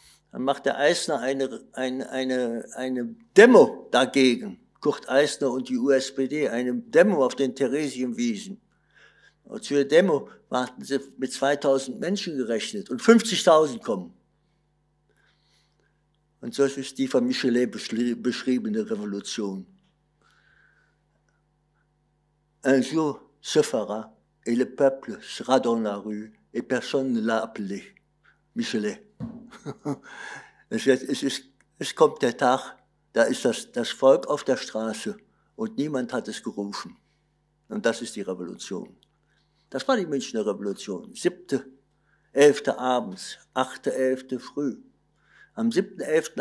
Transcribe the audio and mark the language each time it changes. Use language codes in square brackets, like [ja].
[de] Dann macht der Eisner eine Demo dagegen, Kurt Eisner und die USPD, eine Demo auf den Theresienwiesen. Und zur Demo warten sie mit 2.000 Menschen gerechnet und 50.000 kommen. Und so ist die von Michelet beschriebene Revolution. [fr] Un jour se fera et le peuple sera dans la rue et personne ne l'a appelé. Michelet. [de] Es kommt der Tag, da ist das Volk auf der Straße und niemand hat es gerufen. Und das ist die Revolution. Das war die Münchner Revolution. 7.11. abends, 8.11. früh. Am 7.11.